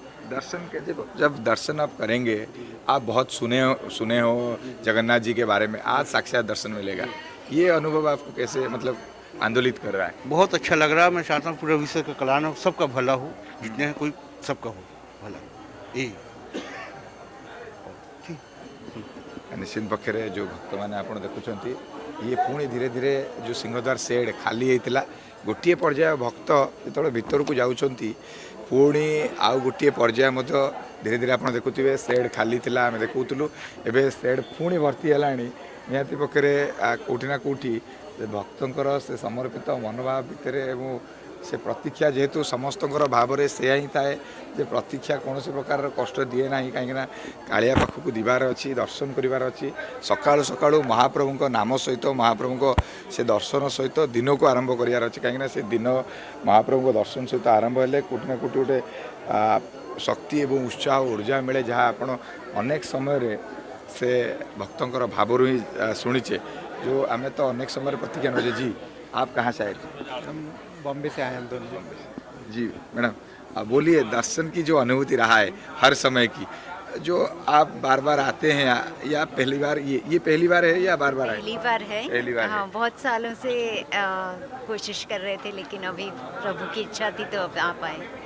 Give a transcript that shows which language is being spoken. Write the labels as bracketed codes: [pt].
[hi] दर्शन कैसे, जब दर्शन आप करेंगे, आप बहुत सुने हो जगन्नाथ जी के बारे में, आज साक्षात दर्शन मिलेगा, ये अनुभव आपको कैसे मतलब आंदोलित कर रहा है? बहुत अच्छा लग रहा है, मैं चाहता हूँ पूरे विश्व का कल्याण हो, सबका भला हो, जितने कोई सबका हो भला यही। [or] ନିଶ୍ଚିନ୍ତ ପକ୍ଷରେ ଯେଉଁ ଭକ୍ତମାନେ ଆପଣ ଦେଖୁଛନ୍ତି, ଇଏ ପୁଣି ଧୀରେ ଧୀରେ ଯେଉଁ ସିଂହଦ୍ୱାର ସେଡ୍ ଖାଲି ହେଇଥିଲା, ଗୋଟିଏ ପର୍ଯ୍ୟାୟ ଭକ୍ତ ଯେତେବେଳେ ଭିତରକୁ ଯାଉଛନ୍ତି, ପୁଣି ଆଉ ଗୋଟିଏ ପର୍ଯ୍ୟାୟ ମଧ୍ୟ ଧୀରେ ଧୀରେ ଆପଣ ଦେଖୁଥିବେ, ସେଡ୍ ଖାଲି ଥିଲା ଆମେ ଦେଖୁଥିଲୁ, ଏବେ ସେଡ୍ ପୁଣି ଭର୍ତ୍ତି ହେଲାଣି। ନିହାତି ପକ୍ଷରେ କେଉଁଠି ନା କେଉଁଠି ସେ ଭକ୍ତଙ୍କର ସେ ସମର୍ପିତ ମନୋଭାବ ଭିତରେ ଏବଂ ସେ ପ୍ରତୀକ୍ଷା, ଯେହେତୁ ସମସ୍ତଙ୍କର ଭାବରେ ସେଇଆ ହିଁ ଥାଏ ଯେ ପ୍ରତୀକ୍ଷା କୌଣସି ପ୍ରକାରର କଷ୍ଟ ଦିଏ ନାହିଁ, କାହିଁକିନା କାଳିଆ ପାଖକୁ ଯିବାର ଅଛି, ଦର୍ଶନ କରିବାର ଅଛି, ସକାଳୁ ସକାଳୁ ମହାପ୍ରଭୁଙ୍କ ନାମ ସହିତ, ମହାପ୍ରଭୁଙ୍କ ସେ ଦର୍ଶନ ସହିତ ଦିନକୁ ଆରମ୍ଭ କରିବାର ଅଛି, କାହିଁକିନା ସେ ଦିନ ମହାପ୍ରଭୁଙ୍କ ଦର୍ଶନ ସହିତ ଆରମ୍ଭ ହେଲେ କେଉଁଠି ନା କେଉଁଠି ଗୋଟେ ଶକ୍ତି ଏବଂ ଉତ୍ସାହ ଉର୍ଜା ମିଳେ, ଯାହା ଆପଣ ଅନେକ ସମୟରେ ସେ ଭକ୍ତଙ୍କର ଭାବରୁ ହିଁ ଶୁଣିଛେ, ଯେଉଁ ଆମେ ତ ଅନେକ ସମୟରେ ପ୍ରତୀକ୍ଷା ନେଉଛେ। [hi] ଜି ଆପ୍ କାହାଁ ସାହେବ? बॉम्बे से आए हम दोनों। जी मैडम, बोलिए, दर्शन की जो अनुभूति रहा है हर समय की, जो आप बार बार आते हैं या पहली बार, ये पहली बार है या बार बार आए? पहली बार है। बहुत सालों से कोशिश कर रहे थे, लेकिन अभी प्रभु की इच्छा थी तो अब आप आए।